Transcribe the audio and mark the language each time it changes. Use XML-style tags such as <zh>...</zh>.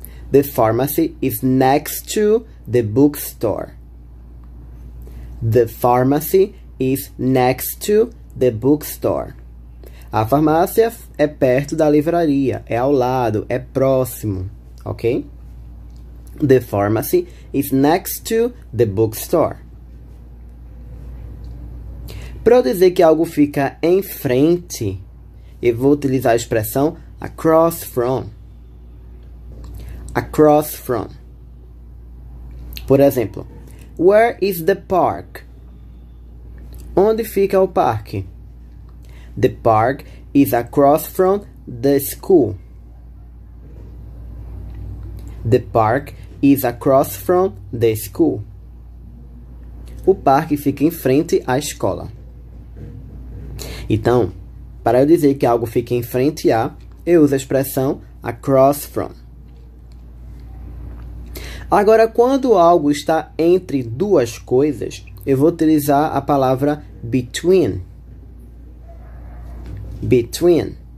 <en>The pharmacy is next to the bookstore. The pharmacy is next to the bookstore.</en> <pt>A farmácia é perto da livraria, é ao lado, é próximo, ok?</pt> <en>The pharmacy is next to the bookstore.</en> <pt>Para eu dizer que algo fica em frente, eu vou utilizar a expressão across from.</pt> <en>Across from.</en> <pt>Por exemplo,</pt> <en>where is the park?</en> <pt>Onde fica o parque?</pt> <en>The park is across from the school. The park is across from the school.</en> <pt>O parque fica em frente à escola. Então, para eu dizer que algo fica em frente a, eu uso a expressão across from. Agora, quando algo está entre duas coisas, eu vou utilizar a palavra between. Between.</pt>